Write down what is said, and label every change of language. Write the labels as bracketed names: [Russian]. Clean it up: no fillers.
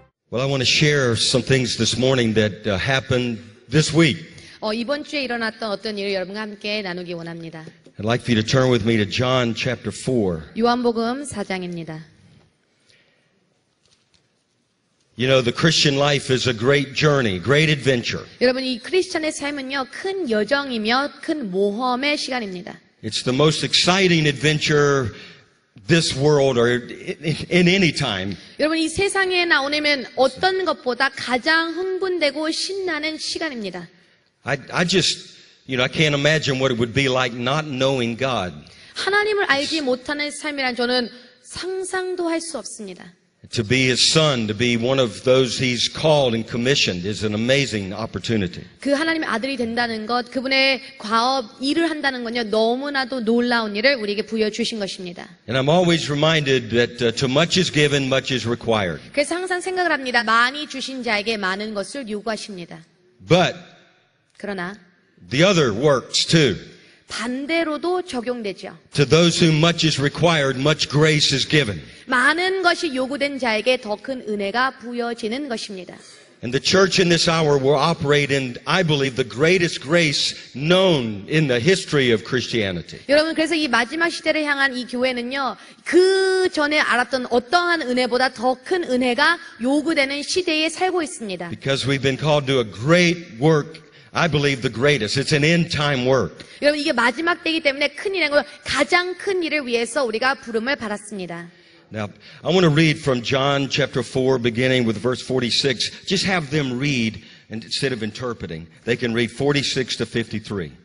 [English] Well, I want to share some things this morning that happened this week. [Korean] 이번 주에 일어났던 어떤 일을 여러분과 함께 나누기 원합니다. [English] I'd like for you to turn with me to John chapter 4. [Korean] 요한복음 4장입니다. [English] You know, the Christian life is a great journey, great adventure. [Korean] 여러분, 이 크리스천의 삶은요, 큰 여정이며 큰 모험의 시간입니다. [English] It's the most exciting adventure this world or in any time. [Korean] 여러분, 이 세상에 나오려면 어떤 것보다 가장 흥분되고 신나는 시간입니다. [English] I just, you know, I can't imagine what it would be like not knowing God. [Korean] 하나님을 알지 못하는 삶이란 저는 상상도 할 수 없습니다. [English] To be his son, to be one of those he's called and commissioned is an amazing opportunity. [Korean] 그 하나님의 아들이 된다는 것, 그분의 과업, 일을 한다는 건요, 너무나도 놀라운 일을 우리에게 부여주신 것입니다. [English] And I'm always reminded that too much is given, much is required. [Korean] 그래서 항상 생각을 합니다. 많이 주신 자에게 많은 것을 요구하십니다. [English] But, [Korean] 그러나, [English] the other works too. [Korean] 반대로도 적용되죠. [English] To those whom much is required, much grace is given. [Korean] 많은 것이 요구된 자에게 더 큰 은혜가 부여지는 것입니다. [English] And the church in this hour will operate in, I believe, the greatest grace known in the history of Christianity. [Korean] 여러분, 그래서 이 마지막 시대를 향한 이 교회는요, 그 전에 알았던 어떠한 은혜보다 더 큰 은혜가 요구되는 시대에 살고 있습니다. [English] Because we've been called to a great work. I believe the greatest. It's an end-time work. [Korean] 여러분 이게 마지막 때이기 때문에 큰 일인 거 가장 큰 일을 위해서 우리가 부름을 받았습니다. [English] Now I want to read from John chapter 4, beginning with verse 46. Just have them read instead of interpreting. They can read 46 to 53.